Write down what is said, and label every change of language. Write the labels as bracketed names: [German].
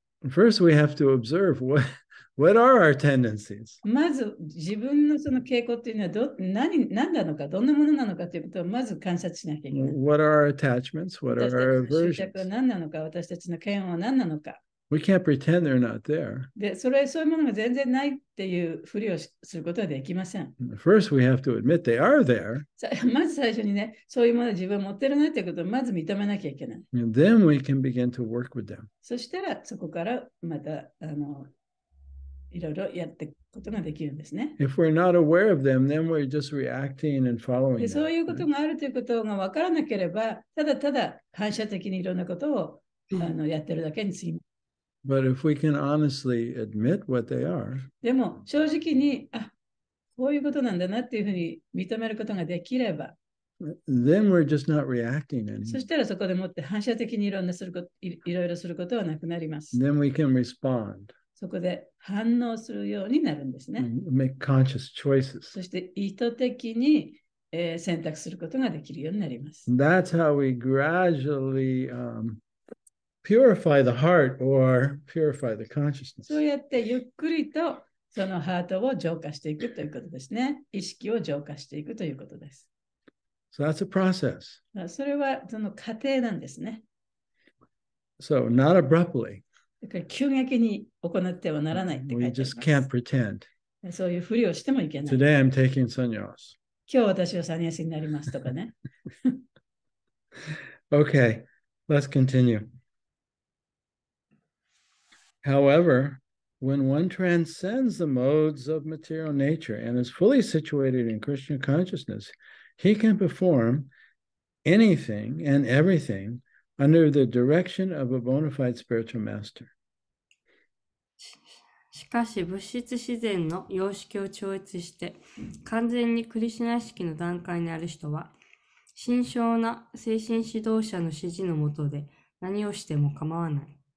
[English] First, we have to observe what are our tendencies. [Japanese] まず自分のその傾向というのはど何何なのか、どんなものなのかということをまず観察しなきゃいけない。 [English] What are our attachments? What are our aversions? [Japanese] 執着は何なのか、私たちの嫌悪は何なのか。 [English] We can't pretend they're not there. [Japanese] で、それはそういうものが全然ないっていうふりをすることはできません。 [English] First, we have to admit they are there. [Japanese] まず最初にね、そういうものを自分持ってるなっていうことをまず認めなきゃいけない。 [English] And then we can begin to work with them. [Japanese] そしたらそこからまたいろいろやっていくことができるんですね。 [English] If we're not aware of them, then we're just reacting and following them. [Japanese] そういうことがあるということがわからなければ、ただただ反射的にいろんなことをやってるだけにすぎません。 [English] But if we can honestly admit what they are, [Japanese] でも正直にあこういうことなんだなっていうふうに認めることができれば、 [English] then we're just not reacting anymore. [Japanese] そしたらそこでもって反射的にいろんなすること、いろいろすることはなくなります。 [English] Then we can respond. [Japanese] そこで反応するようになるんですね。 [English] Make conscious choices. [Japanese] そして意図的に、選択することができるようになります。 [English] That's how we gradually, purify the heart or purify the consciousness. [Japanese] そうやってゆっくりとそのハートを浄化していくということですね。意識を浄化していくということです。 [English] So that's a process. [Japanese] それはその過程なんですね。 [English] So not abruptly. [Japanese] だから急激に行ってはならないって書いてあります。 [English] We just can't pretend. [Japanese] そういうふりをしてもいけない。 [English] Today I'm taking sannyas. [Japanese] 今日私はサニヤスになりますとかね。 [English] Okay, let's continue. However, when one transcends the modes of material nature and is fully situated in Krishna consciousness, he can perform anything and everything under the direction of a bona fide spiritual master. [Japanese] しかし物質自然の様式を超越して完全にクリシナ意識の段階にある人は神聖な精神指導者の指示のもとで何をしても構わない。